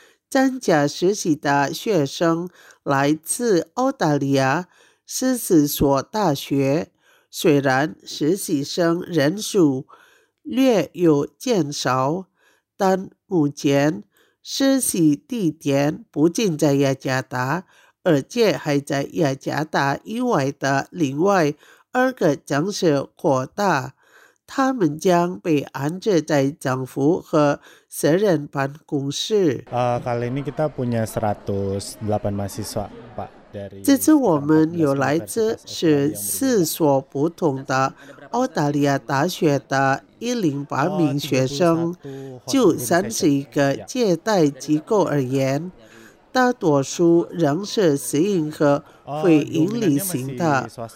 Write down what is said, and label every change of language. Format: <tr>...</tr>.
<zh>参加实习的学生来自澳大利亚四十所大学，虽然实习生人数略有减少，但目前实习地点不仅在雅加达，而且还在雅加达以外的另外二个城市扩大。他们将被安置在政府和私人办公室。</zh> <id>Kali ini kita punya 108 mahasiswa, Pak.</id> <zh>这次我们有来自十四所不同的澳大利亚大学的108名学生，就31个接待机构而言，大多数仍是私营和非盈利型的。</zh>